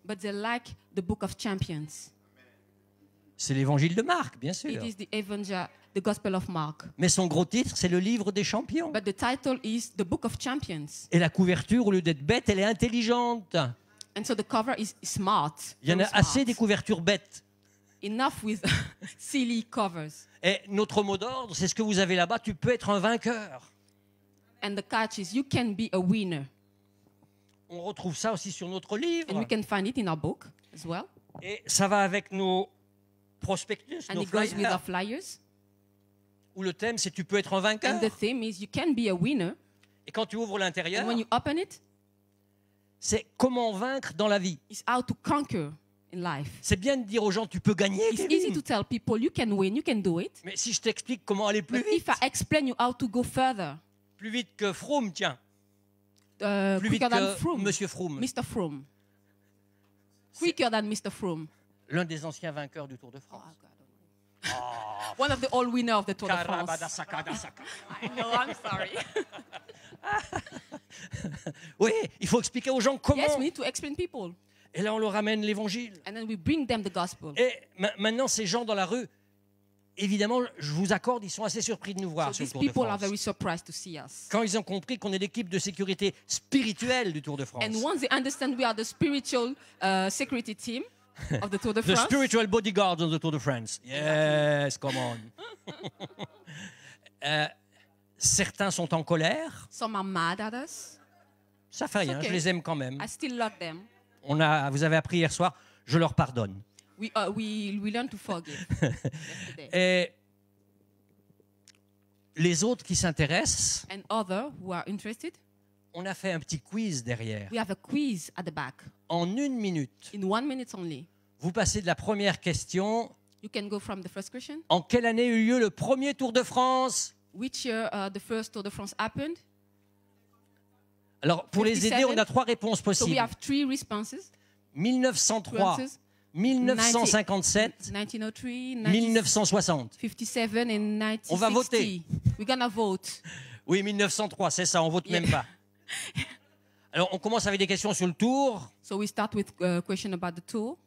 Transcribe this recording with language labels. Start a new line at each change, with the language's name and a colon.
English: But they like the book of champions.
French: C'est l'évangile de Marc, bien sûr.
English: It is the evangel, the gospel of Mark.
French: Mais son gros titre, c'est le livre des champions.
English: But the title is the book of champions.
French: Et la couverture, au lieu d'être bête, elle est intelligente.
English: And so the cover is smart.
French: Il y en a assez des couvertures bêtes.
English: Enough with silly covers.
French: Et notre mot d'ordre, c'est ce que vous avez là-bas, tu peux être un vainqueur.
English: And the catch is you can be a winner.
French: On retrouve ça aussi sur notre livre.
English: And we can find it in our book as well.
French: Et ça va avec nos prospectus,
English: and
French: nos
English: flyers. And it goes with our flyers.
French: Où le thème c'est tu peux être un vainqueur.
English: And the theme is you can be a winner.
French: Et quand tu ouvres l'intérieur,
English: and when you open it,
French: c'est comment vaincre dans la vie.
English: It's how to conquer in life.
French: C'est bien de dire aux gens tu peux gagner.
English: It's easy to tell people you can win, you can do it.
French: Mais si je t'explique comment aller plus vite.
English: If I explain you how to go further.
French: Plus vite que Froome, tiens. Plus vite que Froome. Monsieur Froome.
English: Mr. Froome. Quicker than Mr. Froome.
French: L'un des anciens vainqueurs du Tour de France. Oh,
English: Oh, one of the all winners of the Tour de France. Carabadasaka, dasaka. No, I'm sorry.
French: Oui, il faut expliquer aux gens comment.
English: Yes, we need to explain people.
French: Et là, on leur amène l'évangile.
English: And then we bring them the gospel.
French: Et maintenant, ces gens dans la rue, évidemment, je vous accorde, ils sont assez surpris de nous voir sur le Tour de France.
English: These people are very surprised to see us.
French: Quand ils ont compris qu'on est l'équipe de sécurité spirituelle du Tour de France.
English: And once they understand we are the spiritual security team of the Tour de France. The spiritual bodyguards of the Tour de France. Yes, come on.
French: certains sont en colère.
English: Some are mad at us.
French: Ça fait rien, okay. Je les aime quand même.
English: I still love them.
French: On a, vous avez appris hier soir, je leur pardonne.
English: We learn to forgive.
French: Et les autres qui s'intéressent.
English: And other who are interested.
French: On a fait un petit quiz derrière.
English: We have a quiz at the back.
French: En une minute.
English: In 1 minute only.
French: Vous passez de la première question.
English: You can go from the first question.
French: En quelle année eut lieu le premier Tour de France?
English: Which year the first Tour de France happened?
French: Alors, pour 57. Les aider, on a trois réponses possibles.
English: So we have three responses.
French: 1903, 1957, 1903, 1960.
English: 57 and 1960.
French: On va voter.
English: We're gonna vote.
French: Oui, 1903, c'est ça, on vote même pas. Alors, on commence avec des questions sur le Tour.
English: So we start with a question about the Tour.